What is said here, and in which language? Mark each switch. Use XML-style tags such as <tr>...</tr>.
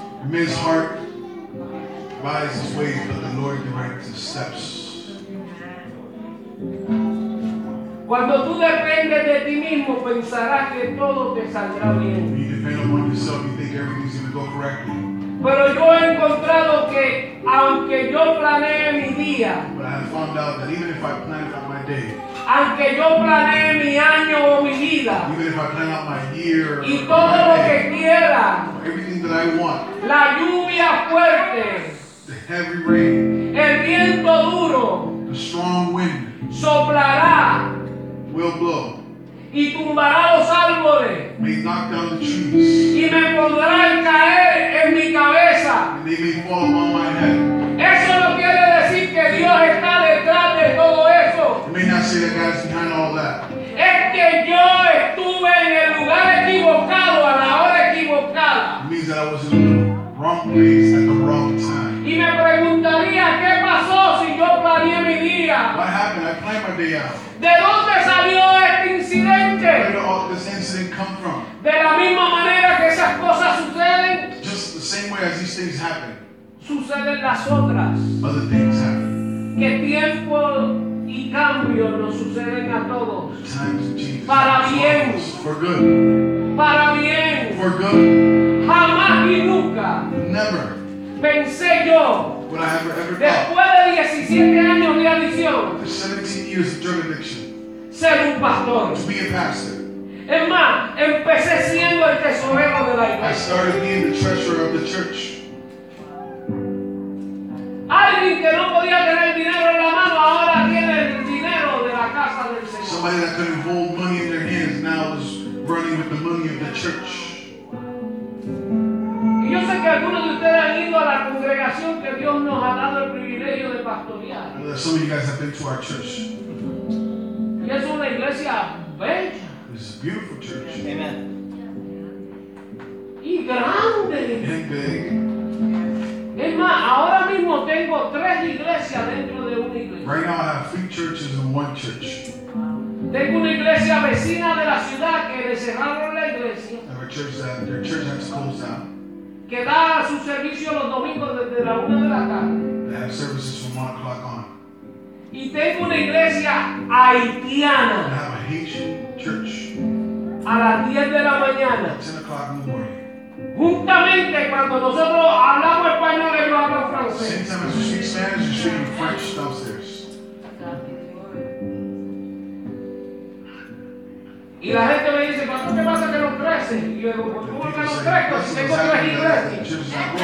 <en>A man's heart buys his way, but the Lord directs his steps.</en> <es>Cuando tú dependes de ti mismo, pensarás que todo te saldrá bien.</es> <en>You depend upon yourself, you think everything's going to go correctly.</en> <es>Pero yo he encontrado que aunque yo planee mi día,</es> <en>but I have found out that even if I plan out my day,</en> <es>aunque yo planee mi año o mi vida,</es> <en>even if I plan out my year,</en> <es>y todo lo que quiera,</es> <en>everything that I want,</en> <es>la lluvia fuerte,</es> <en>the heavy rain,</en> <es>el viento duro,</es> <en>the strong wind,</en> <es>soplará,</es> <en>will blow,</en> <es>y tumbará los árboles,</es> <en>may knock down the trees,</en> <es>y me podrán caer en mi cabeza,</es> <en>and they may fall on my head.</en> <es>Eso no quiere decir que Dios está detrás de todo eso.</es> <en>It may not say that God is behind all that.</en> <es>Es que yo estuve en el lugar equivocado a la hora equivocada.</es> <en>It means that I was in the wrong place at the wrong time.</en> <es>Y me preguntaría, ¿qué pasó si yo planeé mi día?</es> <en>What happened? I planned my day out.</en> <es>¿De dónde salió este incidente?</es> <en>Where did all this incident come from?</en> <es>De la misma manera que esas cosas suceden.</es> <en>Just the same way as these things happen.</en> <es>Suceden las otras.</es> <en>Other things happen.</en> <es>que tiempo y cambio nos suceden a todos. Para bien.</es> <en>For good.</en> <es>Para bien.</es> <en>For good.</en> <es>Jamás y nunca.</es> <en>Never.</en> <es>Pensé yo. Después de 17 años de adicción.</es> <en>17 years of drug addiction.</en> <es>Ser un pastor.</es> <en>To be a pastor.</en> <es>Es más, empecé siendo el tesorero de la iglesia.</es> <en>I started being the treasurer of the church.</en> <es>Alguien que no podía tener dinero en la mano ahora tiene el dinero de la casa del Señor.</es> <en>Somebody that couldn't hold money in their hands now is running with the money of the church.</en> <es>Y yo sé que algunos de ustedes han ido a la congregación que Dios nos ha dado el privilegio de pastorear.</es> <en>I know some of you guys have been to our church.</en> <es>Y es una iglesia bella.</es> <en>It's a beautiful church. Amen.</en> <es>Y grande.</es> <en>And big.</en> <es>Es más, ahora mismo tengo tres iglesias dentro de una iglesia.</es> <en>Right now I have three churches and one church.</en> <es>Tengo una iglesia vecina de la ciudad que le cerraron la iglesia.</es> <en>I have a church that their church has closed down.</en> <es>Que da su servicio los domingos desde la una de la tarde.</es> <en>They have services from 1 o'clock on.</en> <es>Y tengo una iglesia haitiana.</es> <en>I have a Haitian church.</en> <es>A las 10 de la mañana.</es> <en>10 o'clock in the morning.</en> <es>Justamente cuando nosotros hablamos español y yo hablo francés.</es> <en>Same time as you speak Spanish, you're speaking French downstairs.</en> <es>Y la gente me dice, ¿pastor, qué pasa que no crece? Y yo digo, ¿cómo que no crezco si tengo tres iglesias?</es>